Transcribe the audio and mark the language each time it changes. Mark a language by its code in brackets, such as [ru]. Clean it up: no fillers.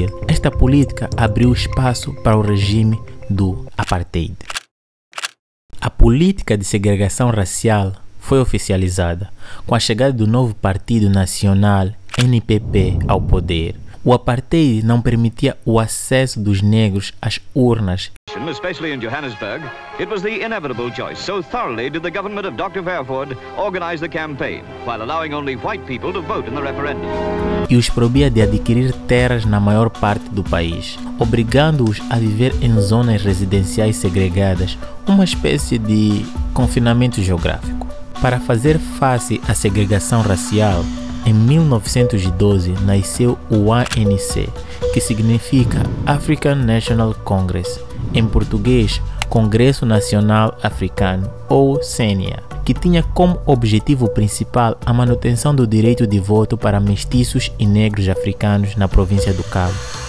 [pt] Esta política abriu espaço para o regime do apartheid. A política de segregação racial foi oficializada com a chegada do novo Partido Nacional, NPP, ao poder. O apartheid não permitia o acesso dos negros às urnas. [en] Especially in Johannesburg, it was the inevitable choice. So thoroughly did the government of Dr. Fairford organize the campaign, while allowing only white people to vote in the referendum. [pt] E os proibia de adquirir terras na maior parte do país, obrigando-os a viver em zonas residenciais segregadas, uma espécie de confinamento geográfico. Para fazer face à segregação racial, em 1912 nasceu o ANC, que significa African National Congress, em português Congresso Nacional Africano, ou CNA, que tinha como objetivo principal a manutenção do direito de voto para mestiços e negros africanos na província do Cabo.